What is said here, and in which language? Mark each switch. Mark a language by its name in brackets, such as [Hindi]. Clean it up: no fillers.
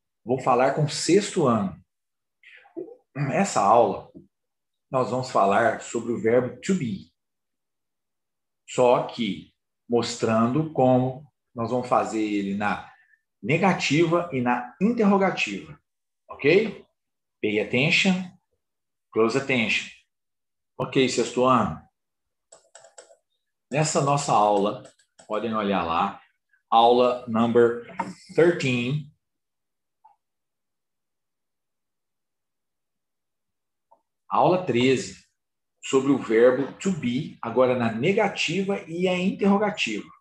[Portuguese] Vou falar com o sexto ano. Nessa aula, nós vamos falar sobre o verbo to be. Só que mostrando como nós vamos fazer ele na negativa e na interrogativa. Ok? [English] Pay attention, close attention. [Portuguese] Ok, sexto ano. Nessa nossa aula, podem olhar lá, aula number 13. Aula 13, sobre o verbo to be, agora na negativa e a interrogativa.